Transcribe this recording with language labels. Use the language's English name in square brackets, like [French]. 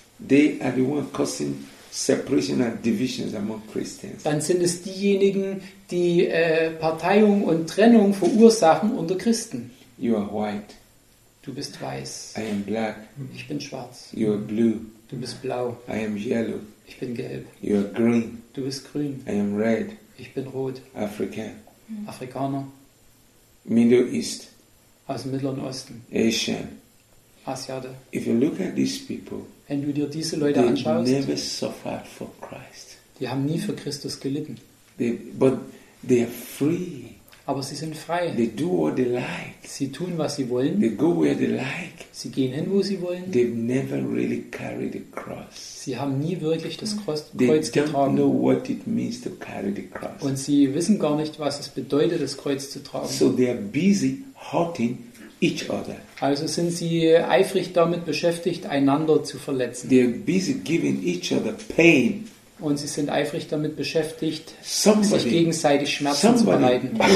[English] they are the ones causing separation and divisions among Christians. [German] Dann sind es diejenigen, die Parteiung und Trennung verursachen unter Christen. [English] You are white. [German] Du bist weiß. [English] I am black. [German] Ich bin schwarz. [English] You are blue. [German] Du bist blau. [English] I am yellow. [German] Ich bin gelb. [English] You are green. [German] Du bist grün. [English] I am red. [German] Ich bin rot. [English] African. [German] Afrikaner. [English] Middle East. [German] Aus dem Mittleren Osten. [English] Asian. [German] Asiate. [English] If you look at these people, [German] wenn du dir diese Leute anschaust, [English] they never suffered for Christ. [German] Die haben nie für Christus gelitten. [English] But they are free. [German] Aber sie sind frei. [English] They do what they like. [German] Sie tun, was sie wollen. [English] They go where they like. [German] Sie gehen hin, wo sie wollen. [English] They've never really carried the cross. [German] Sie haben nie wirklich das Kreuz getragen. [English] They don't know what it means to carry the cross. [German] Und sie wissen gar nicht, was es bedeutet, das Kreuz zu tragen. [English] So they are busy hurting each other. [German] Also sind sie eifrig damit beschäftigt, einander zu verletzen. [English] They are busy giving each other pain. [German] Und sie sind eifrig damit beschäftigt, sich gegenseitig Schmerzen zu bereiten.